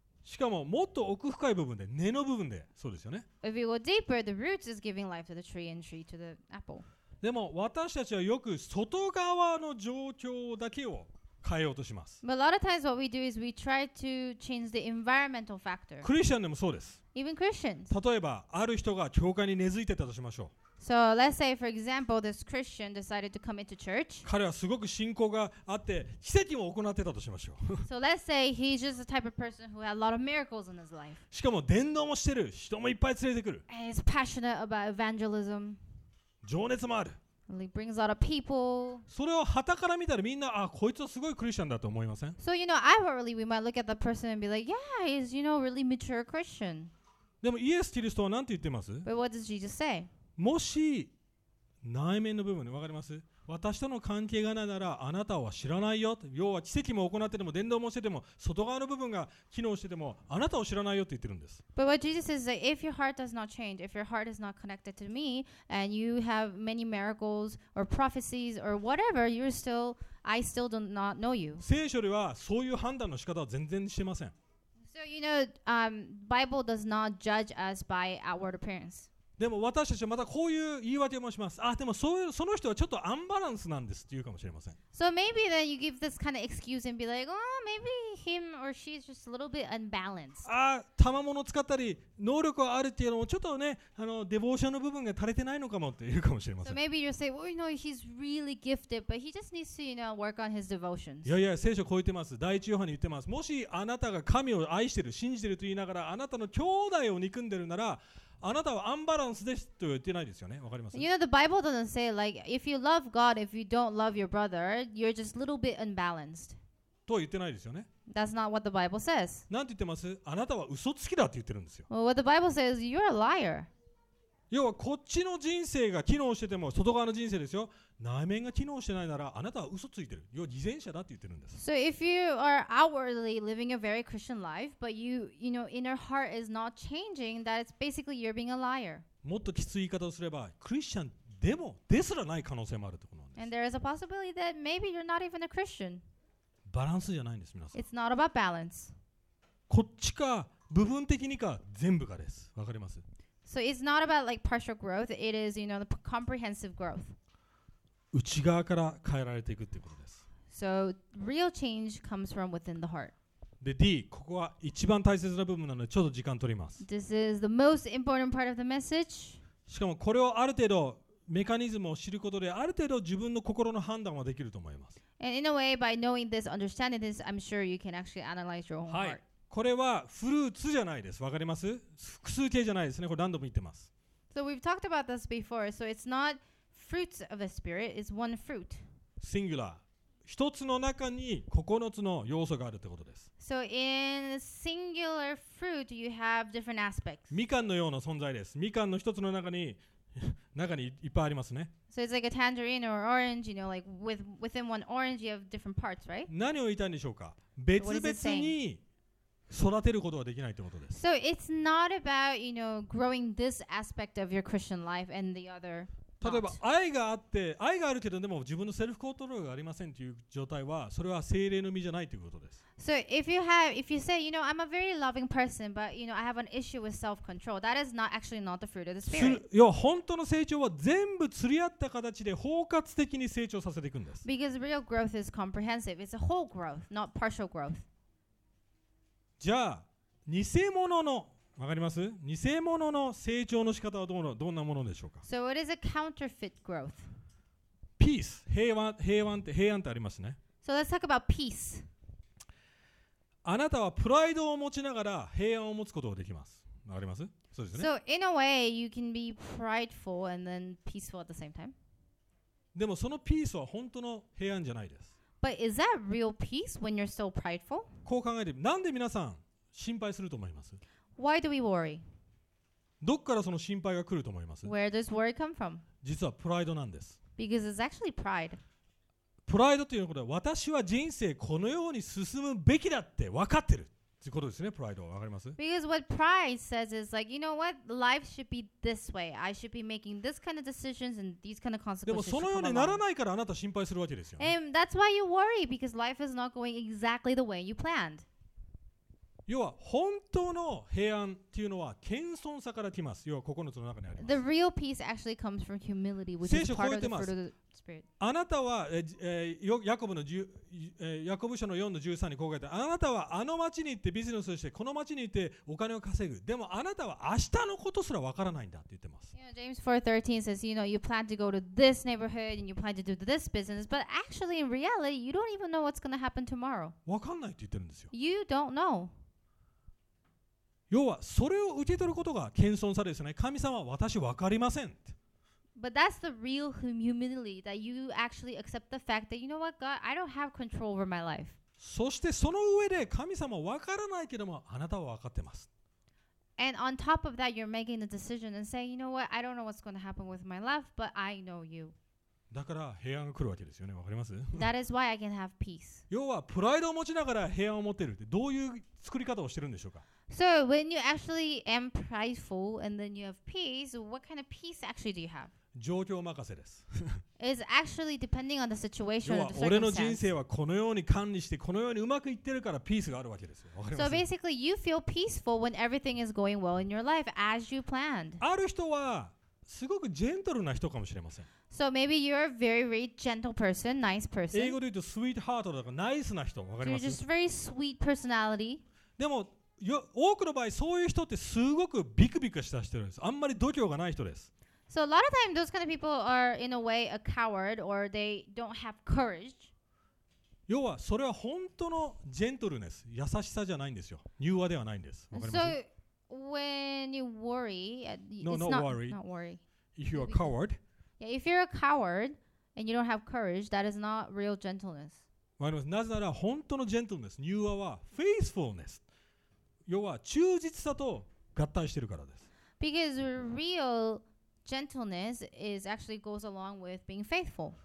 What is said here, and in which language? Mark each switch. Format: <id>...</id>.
<ja>しかももっと奥深い部分で、根の部分で、そうですよね。</ja> <en>If you go deeper, the roots is giving life to the tree and tree to the apple.</en> <ja>でも私たちはよく外側の状況だけを変えようとします。</ja> <en>But a lot of times what we do is we try to change the environmental factor.</en> <ja>クリスチャンでもそうです。</ja> <en>Even Christians.</en> <ja>例えばある人が教会に根付いてたとしましょう。</ja> <en>So let's say for example this Christian decided to come into church.</en> <ja>彼はすごく信仰があって奇跡も行ってたとしましょう。</ja> <en>So let's say he's just the type of person who had a lot of miracles in his life.</en> <ja>しかも伝道もしてる。人もいっぱい連れてくる。</ja> <en>And he's passionate about evangelism.</en> <ja>情熱もある。</ja> <en>He brings a lot of people.</en> <ja>それを旗から見たらみんな、あ、こいつはすごいクリスチャンだと思いません？</ja> <en>So you know, I really, we might look at the person and be like, yeah, he's, you know, really mature Christian.</en> <ja>でもイエス・キリストは何て言ってます？</ja> <en>But what does Jesus say?</en> <ja>もし内面の部分ね、わかります？私との関係がないならあなたは知らないよ。要は奇跡も行ってても伝道もしてても外側の部分が機能しててもあなたを知らないよって言ってるんです。</ja> <en>But what Jesus says is that if your heart does not change, if your heart is not connected to me, and you have many miracles or prophecies or whatever, you're still, I still do not know you.</en> <ja>聖書ではそういう判断の仕方は全然してません。</ja> <en>So you know, Bible does not judge us by outward appearance.</en> <ja>でも私たちはまたこういう言い訳もします。あ、でもそういうその人はちょっとアンバランスなんですって言うかもしれません。</ja> <en>So maybe then you give this kind of excuse and be like, oh, maybe him or she is just a little bit unbalanced.</en> <ja>あ、賜物を使ったり能力があるっていうのもちょっとね、デボーションの部分が足りてないのかもって言うかもしれません。</ja> <en>So maybe you say, well, you know, he's really gifted, but he just needs to, you know, work on his devotions.</en> <ja>いやいや、聖書こう言ってます。第一ヨハネ言ってます。もしあなたが神を愛してる、信じてると言いながらあなたの兄弟を憎んでるなら、あなたはアンバランスですと言ってないですよね。わかります。</ja> <en>You know the Bible doesn't say like if you love God, if you don't love your brother, you're just a little bit unbalanced.</en> <ja>と言ってないですよね。</ja> <en>That's not what the Bible says.</en> <ja>なんて言ってます？あなたは嘘つきだって言ってるんですよ。</ja> <en>Well, what the Bible says, you're a liar.</en> <ja>要はこっちの人生が機能してても外側の人生ですよ。内面が機能してないならあなたは嘘ついてる。要は偽善者だって言ってるんです。</ja> <en>So if you are outwardly living a very Christian life, but you, you know, inner heart is not changing, that it's basically you're being a liar.</en> <ja>もっときつい言い方をすれば、クリスチャンでもですらない可能性もあるってことなんです。</ja> <en>And there is a possibility that maybe you're not even a Christian.</en> <ja>バランスじゃないんです、皆さん。</ja> <en>It's not about balance.</en> <ja>こっちか部分的にか全部かです。わかります。</ja> <en>So it's not about like partial growth. It is, you know, the comprehensive growth.</en> <ja>内側から変えられていくということです。</ja> <en>So, real change comes from within the heart.</en> <ja>で、D、ここは一番大切な部分なので、ちょっと時間取ります。</ja> <en>This is the most important part of the message.</en> <ja>しかもこれをある程度メカニズムを知ることで、ある程度自分の心の判断はできると思います。</ja> <en>And in a way, by knowing this, understanding this, I'm sure you can actually analyze your own heart.</en> <ja>はい。これはフルーツじゃないです。わかります？複数形じゃないですね。これ何度も言ってます。</ja> <en>So we've talked about this before. So it's notFruits of the Spirit is one fruit. Singular.</en> <ja>一つの中に九つの要素があるってことです。</ja> <en>So in singular fruit, you have different aspects.</en> <ja>みかんのような存在です。みかんの一つの中にいっぱいありますね。</ja> <en>So it's like a tangerine or orange, you know, like within one orange, you have different parts, right?</en> <ja>何を言いたいんでしょうか。別々に育てることはできないってことです。</ja> <en>So it's not about, you know, growing this aspect of your Christian life and the other.</en> <ja>例えば愛があって愛があるけどでも自分のセルフコントロールがありませんという状態はそれは聖霊の実じゃないということです。</ja> <en>So if you have, if you say, you know, I'm a very loving person, but you know, I have an issue with self-control, that is not actually not the fruit of the spirit.</en> <ja>要は本当の成長は全部釣り合った形で包括的に成長させていくんです。</ja> <en>Because real growth is comprehensive. It's a whole growth, not partial growth.</en> <ja>じゃあ偽物のわかります？偽物の成長の仕方はどんなものでしょうか？</ja> <en>So what is a counterfeit growth?</en> <ja>Peace. 平安ってありますね。</ja> <en>So let's talk about peace.</en> <ja>あなたはプライドを持ちながら平安を持つことができます。わかります？そうですね。</ja> <en>So in a way, you can be prideful and then peaceful at the same time.</en> <ja>でもそのピースは本当の平安じゃないです。</ja> <en>But is that real peace when you're so prideful?</en> <ja>こう考えて、なんで皆さん心配すると思います？</ja> <en>Why do we worry?</en> <ja>どこからその心配が来ると思います?</ja> <en>Where does worry come from?</en> <ja>実はプライドなんです。</ja> <en>Because it's actually pride.</en> <ja>プライドというのは私は人生このように進むべきだって分かってるということですね。プライドは分かります?</ja> <en>Because what pride says is like, you know what? Life should be this way. I should be making this kind of decisions and these kind of consequences.</en> <ja>でもそのようにならないからあなた心配するわけですよ。</ja> <en>And that's why you worry because life is not going exactly the way you planned.</en> <ja>要は本当の平安というのは謙遜さから来ます。要は心の中にあります。</ja> <en>The real peace actually comes from humility, which is part of the fruit of the spirit.</en> <ja>あなたはヤコブの4:13にこう書いて、あなたはあの町に行ってビジネスをして、この町に行ってお金を稼ぐ。でもあなたは明日のことすらわからないんだって言ってます。</ja> <en>You know, James 4:13 says, you know, you plan to go to this neighborhood and you plan to do this business, but actually in reality, you don't even know what's going to happen tomorrow.</en> <ja>わかんないって言ってるんですよ。</ja> <en>You don't know.</en> <ja>要はそれを受け取ることが謙遜さですね。神様は私分かりません。</ja> <en>But that's the real humility that you actually accept the fact that you know what God, I don't have control over my life.</en> <ja>そしてその上で神様は分からないけどもあなたは分かってます。</ja> <en>And on top of that, you're making the decision and saying, you know what, I don't know what's going to happen with my life, but I know you.</en> <ja>だから平安が来るわけですよね。分かります？</ja> <en>That is why I can have peace.</en> <ja>要はプライドを持ちながら平安を持っているってどういう作り方をしてるんでしょうか？</ja> <en>So when you actually am prideful and then you have peace, what kind of peace actually do you have?</en> <ja>状況任せです。</ja> <en>It's actually depending on the situation or the</en> <ja>俺の人生はこのように管理してこのようにうまくいってるからピースがあるわけです。</ja> <en>So basically you feel peaceful when everything is going well in your life as you planned.</en> <ja>ある人はすごくジェントルな人かもしれません。</ja> <en>So maybe you're a very, very gentle person, nice person.</en> <ja>英語で言うとスイートハートだからナイスな人、わかります</ja> <en>？ So you're just very sweet personality.</en> <ja>でも多くの場合そういう人ってすごくビクビクした人です。あんまり度胸がない人です。</ja> <en>So a lot of time those kind of people are in a way a coward or they don't have courage.</en> <ja>要はそれは本当のジェントルネス、優しさじゃないんですよ。柔和ではないんです。わかります？</ja> <en>So when you worry, it's no, not worry. Not worry. If you're a coward. Yeah, if you're a coward and you don't have courage, that is not real gentleness.</en> <ja>わかります？なぜなら本当のジェントルネス、柔和は faithfulness。要は忠実さと合体してるからです。</ja> <en>Because real gentleness is actually goes along with being faithful.</en>